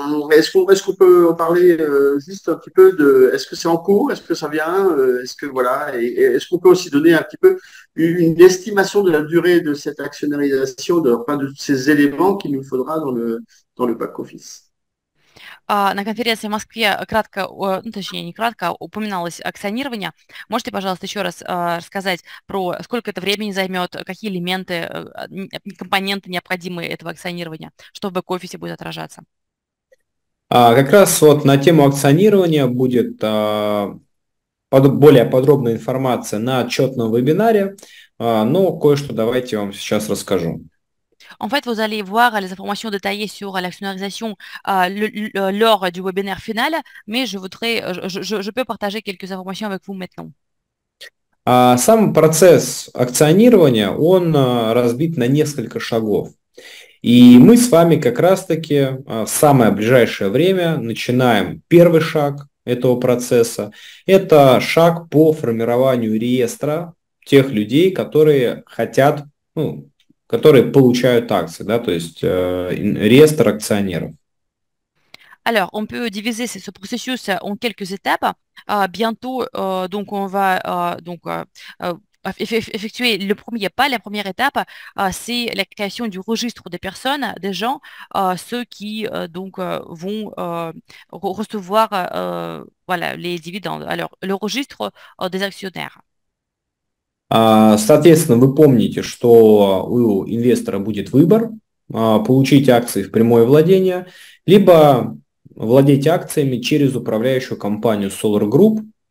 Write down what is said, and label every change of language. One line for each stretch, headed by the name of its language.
French: Est-ce qu'on peut en parler juste un petit peu de est-ce que c'est en cours, est-ce que ça vient, est-ce que voilà, est-ce qu'on peut aussi donner un petit peu une estimation de la durée de cette accélération, enfin, de ces éléments qu'il nous faudra dans le back office?
Russian: На конференции в Москве кратко, ну, точнее, не кратко, упоминалось акционирование. Можете, пожалуйста, еще раз рассказать про сколько это времени займет, какие элементы, компоненты необходимые этого акционирования, что в бэк-офисе будет отражаться? Как раз вот на тему акционирования будет более подробная информация на отчетном вебинаре, но кое-что давайте я вам сейчас расскажу.
French: En fait, vous allez voir les informations détaillées sur l'actionnarisation lors du webinaire final, mais je peux partager quelques informations avec vous maintenant.
Russian: Сам процесс акционирования, он разбит на несколько шагов. И мы с вами как раз-таки в самое ближайшее время начинаем первый шаг этого процесса. Это шаг по формированию реестра тех людей, которые хотят, ну, которые получают акции, да, то есть реестр акционеров.
French: Alors, on peut diviser ce processus en quelques étapes. Bientôt, donc, on va donc effectuer le premier pas. La première étape, c'est la création du registre des personnes, des gens, ceux qui donc vont recevoir voilà, les dividendes. Alors, le registre des actionnaires.
Russian: Соответственно, вы помните, что у инвестора будет выбор получить акции в прямое владение, либо владеть акциями через управляющую компанию Solar Group.